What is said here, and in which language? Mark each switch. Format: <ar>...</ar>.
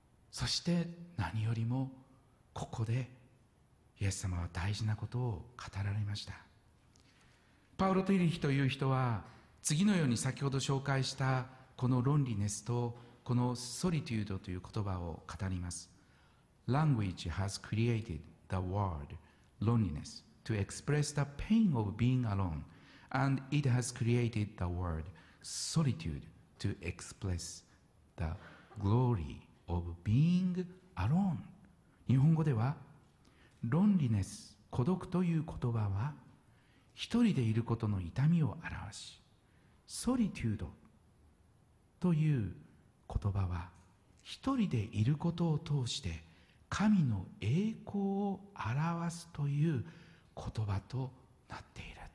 <ja>そして何よりもここでイエス様は大事なことを語られました。パウロ・ティリヒという人は次のように先ほど紹介したこのロンリネスとこのソリテュードという言葉を語ります。</ja> <en>Language has created the word loneliness to express the pain of being alone, and it has created the word solitude to express the glory of being alone。</en> <ja>日本語ではロンリネス、孤独という言葉は一人でいることの痛みを表し、ソリテュードという言葉は一人でいることを通して神の栄光を表すという言葉となっている。</ja>